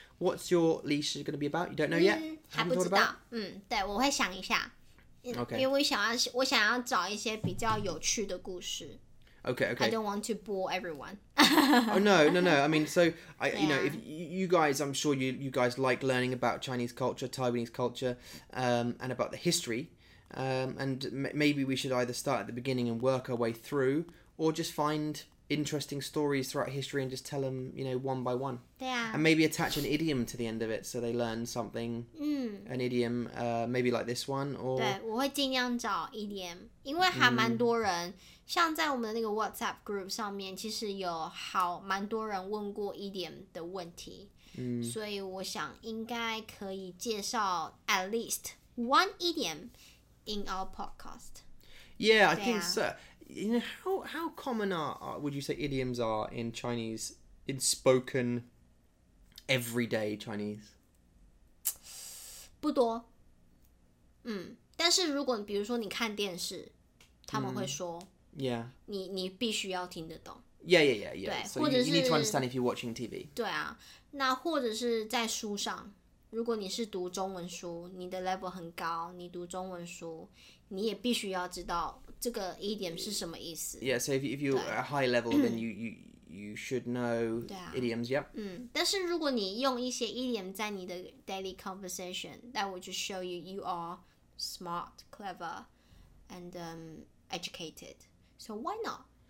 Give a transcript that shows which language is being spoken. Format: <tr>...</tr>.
<en>What's your 历史 going to be about? You don't know yet?、</en> <zh>Mm, 还不知道。嗯，对，我会想一下。</zh> <en>Okay.</en> <zh>因为我想要找一些比较有趣的故事。</zh> <en>Okay. I don't want to bore everyone. Oh, no. I mean, so, I,、yeah. you know, if you guys, I'm sure you guys like learning about Chinese culture, Taiwanese culture,、and about the history.、and maybe we should either start at the beginning and work our way through, or just find interesting stories throughout history and just tell them, you know, one by one. Yeah. And maybe attach an idiom to the end of it so they learn something,、 mm. an idiom,、maybe like this one. Or...</en> <zh>对，我会尽量找 idiom, 因为还蛮多人、mm. 像在我们的那个 WhatsApp group 上面，其实有好蛮多人问过 idiom 的问题、嗯，所以我想应该可以介绍</zh> <en>at least one idiom in our podcast. Yeah, I think so. You know how common are would you say idioms are in Chinese in spoken everyday Chinese?</en> <zh>不多，嗯，但是如果比如说你看电视，他们会说。嗯Yeah. 你必须要听得懂。</zh> <en>Yeah.</en> <zh>对，或者是</zh> <en>you need to understand if you're watching TV.</en> <zh>对啊，那或者是在书上，如果你是读中文书，你的 level 很高，你读中文书，你也必须要知道这个 idiom 是什么意思。</zh> <en>Yeah. So if you're a high level, then you should know、啊、 idioms. Yep.</en> <zh>嗯，但是如果你用一些</zh> <en>idiom</en> <zh>在你的</zh> <en>daily conversation, that would just show you are smart, clever, and educated. So why not?</en>